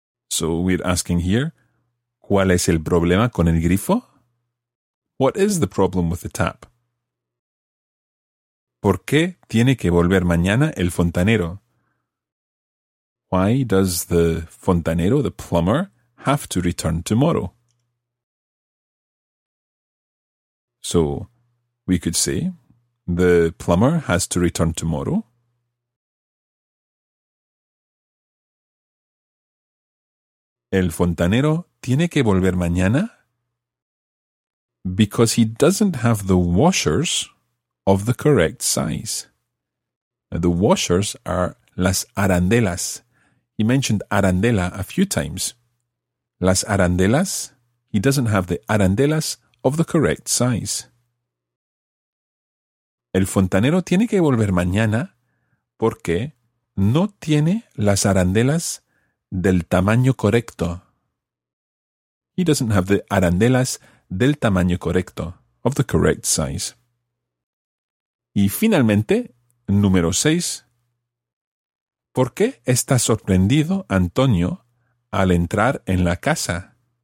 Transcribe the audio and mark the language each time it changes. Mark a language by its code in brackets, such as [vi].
[en] So we're asking here, [es] ¿Cuál es el problema con el grifo? [en] What is the problem with the tap? [es] ¿Por qué tiene que volver mañana el fontanero? [en] Why does the fontanero, the plumber, have to return tomorrow? So, we could say, the plumber has to return tomorrow. [es] El fontanero tiene que volver mañana. [en] Because he doesn't have the washers of the correct size. The washers are las arandelas. He mentioned arandela a few times. Las arandelas. He doesn't have the arandelas of the correct size. [es] El fontanero tiene que volver mañana porque no tiene las arandelas del tamaño correcto. [en] He doesn't have the arandelas [es] del tamaño correcto, [en] of the correct size. [es] Y finalmente, número 6. ¿Por qué está sorprendido Antonio al entrar en la casa?